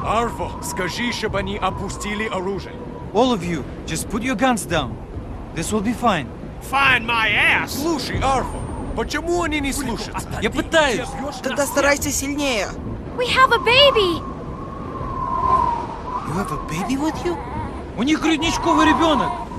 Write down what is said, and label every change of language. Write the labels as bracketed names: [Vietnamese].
[Russian] Arvo, скажи, чтобы они опустили оружие. [English] All of you, just put your guns down. This will be fine. Find my ass! [Russian] Слушай, Арфа, почему они не слушаются? Я пытаюсь! Тогда старайся сильнее! [English] We have a baby! You have a baby with you? [Russian] У них грудничковый ребенок!